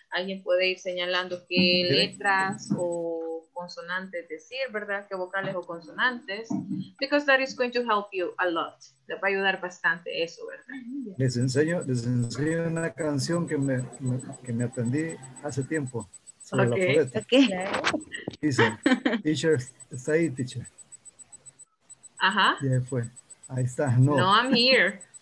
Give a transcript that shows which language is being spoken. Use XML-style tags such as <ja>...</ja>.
<es>Alguien puede ir señalando qué letras o consonantes decir, ¿verdad? Qué vocales o consonantes.</es> <en>Because that is going to help you a lot.</en> <es>Les va a ayudar bastante eso, ¿verdad? Les enseño una canción que me aprendí hace tiempo. Sobre okay. La alfabeta. Okay. Dice, teacher, está ahí, teacher. Ajá. Ya fue. Ahí está. No.</es> <en>No, I'm here.</en>